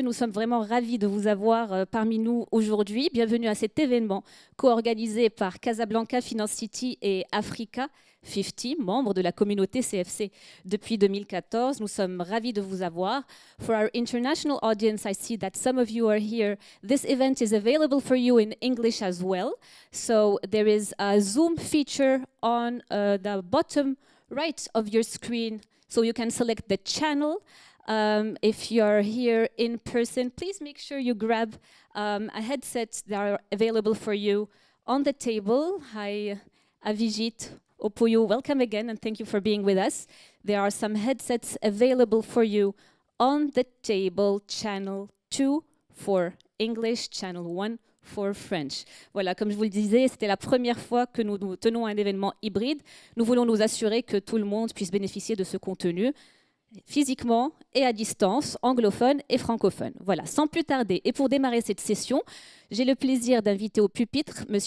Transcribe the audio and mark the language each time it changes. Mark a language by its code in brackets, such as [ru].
[fr] Nous sommes vraiment ravis de vous avoir parmi nous aujourd'hui. Bienvenue à cet événement co-organisé par Casablanca Finance City et Africa 50, membres de la communauté CFC depuis 2014. Nous sommes ravis de vous avoir. [en] For our international audience, I see that some of you are here. This event is available for you in English as well. So there is a Zoom feature on the bottom right of your screen. So you can select the channel. If you're here in person, please make sure you grab a headset that are available for you on the table. Hi, Avijit, Opuyu, welcome again and thank you for being with us. There are some headsets available for you on the table, channel 2 for English, channel 1 for French. [fr] Voilà, comme je vous le disais, c'était la première fois que nous tenons un événement hybride. Nous voulons nous assurer que tout le monde puisse bénéficier de ce contenu physiquement et à distance, anglophone et francophone. Voilà, sans plus tarder, et pour démarrer cette session, j'ai le plaisir d'inviter au pupitre M.